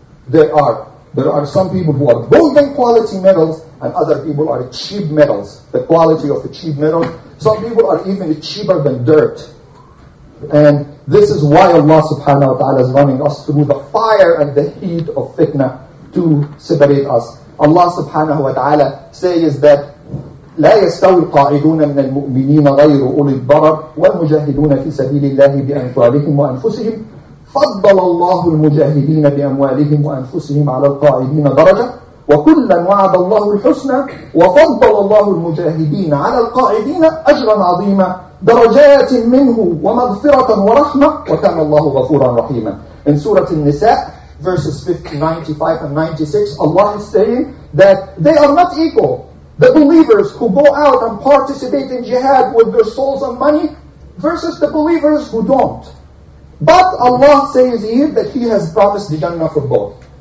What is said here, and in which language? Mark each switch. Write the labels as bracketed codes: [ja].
[en] There are some people who are golden quality metals, and other people are cheap metals. The quality of the cheap metals. Some people are even cheaper than dirt. And this is why Allah subhanahu wa ta'ala is running us through the fire and the heat of fitna to separate us. Allah subhanahu wa ta'ala says that [ar] لا يستوي القاعدون من المؤمنين غير أولي الضرر والمجاهدون في سبيل الله بأموالهم وأنفسهم فضل الله المجاهدين بأموالهم وأنفسهم على القاعدين درجة وكلا وعد الله الحسنى وفضل الله المجاهدين على القاعدين أجرا عظيما درجات منه ومغفرة ورحمة وكان الله غفورا رحيما. [en] In Surah An-Nisa, verses 95 and 96, Allah is saying that they are not equal. The believers who go out and participate in jihad with their souls and money versus the believers who don't. But Allah says here that He has promised the Jannah for both.